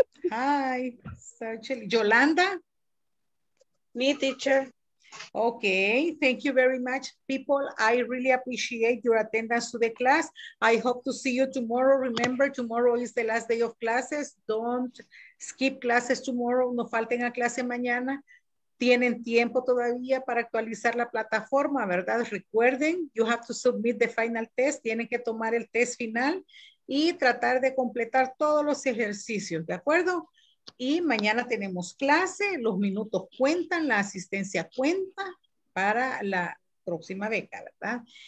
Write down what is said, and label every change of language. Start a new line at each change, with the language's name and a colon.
English: Hi. Sorry. Yolanda. Me, teacher. Okay. Thank you very much, people. I really appreciate your attendance to the class. I hope to see you tomorrow. Remember, tomorrow is the last day of classes. Don't skip classes tomorrow.
Spanish: No falten a clase mañana. Tienen tiempo todavía para actualizar la plataforma, ¿verdad? Recuerden,
English: you have to submit the final test.
Spanish: Tienen que tomar el test final y tratar de completar todos los ejercicios, ¿de acuerdo? Y mañana tenemos clase, los minutos cuentan, la asistencia cuenta para la próxima beca, ¿verdad?